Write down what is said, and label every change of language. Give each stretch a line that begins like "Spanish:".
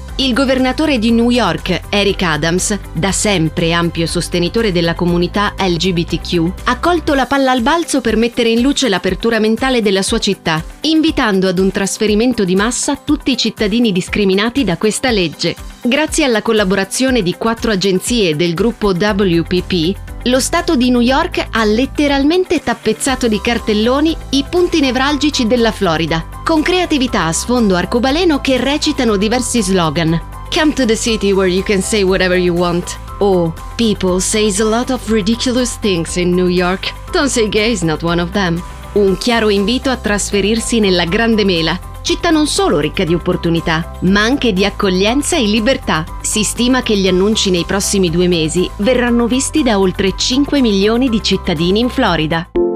Italian: Il governatore di New York, Eric Adams, da sempre ampio sostenitore della comunità LGBTQ, ha colto la palla al balzo per mettere in luce l'apertura mentale della sua città, invitando ad un trasferimento di massa tutti i cittadini discriminati da questa legge. Grazie alla collaborazione di 4 agenzie del gruppo WPP, lo Stato di New York ha letteralmente tappezzato di cartelloni i punti nevralgici della Florida, con creatività a sfondo arcobaleno che recitano diversi slogan.
English: Come to the city where you can say whatever you want. O people say a lot of ridiculous things in New York. Don't say gay is not one of them.
Italian: Un chiaro invito a trasferirsi nella Grande Mela, città non solo ricca di opportunità, ma anche di accoglienza e libertà. Si stima che gli annunci nei prossimi 2 mesi verranno visti da oltre 5 milioni di cittadini in Florida.